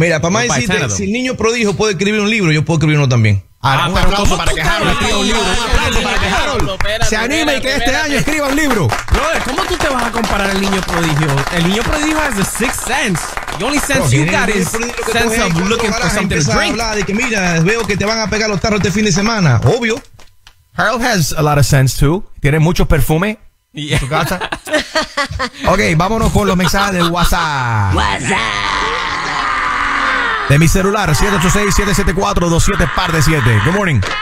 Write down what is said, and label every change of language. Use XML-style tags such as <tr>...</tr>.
<es>Mira, para más decirte, si el niño prodigio puede escribir un libro, yo puedo escribir uno también. Un aplauso para que Harold escriba un libro. Un aplauso para que Harold se anime y que este año escriba un libro. Brother, ¿cómo tú te vas a comparar al niño prodigio?</es> <en>El niño prodigio has a sixth sense. The only sense you got is sense of looking for something to drink.</en> <es>De que mira, veo que te van a pegar los tarros este fin de semana. Obvio.</es> <en>Harold has a lot of sense, too.</en> <es>Tiene mucho perfume.</es> <en>Yeah.</en> <es>Ok, vámonos con los mensajes de WhatsApp. De mi celular, 786-774-27-7.</es> <en>Good morning.</en>